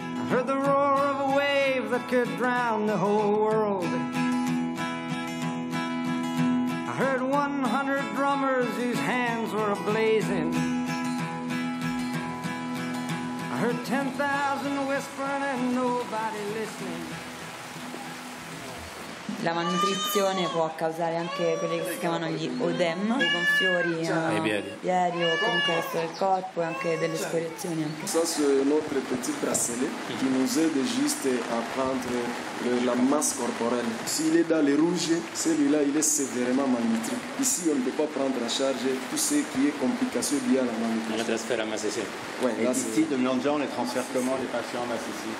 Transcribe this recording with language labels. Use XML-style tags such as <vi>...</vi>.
<en>Heard the roar of a wave that could drown the whole world. I heard 100 drummers whose hands were ablazing. I heard 10,000 whispering and nobody listening.</en> <it>La malnutrizione può causare anche quelli che si chiamano gli odem, i gonfiori ai piedi, ieri, o comunque resto del corpo e anche delle scoriazioni.</it> <fr>Ça c'est notre petit bracelet qui nous aide juste à prendre la masse corporelle. S'il est dans les rouges, celui-là il est sévèrement malnutri. Ici on ne peut pas prendre à charge tout ce qui est complication liée à la malnutrition. On le transfère à Massissi. Ouais, et ici de Mianja, on les transfère comment les patients à Massissi?</fr>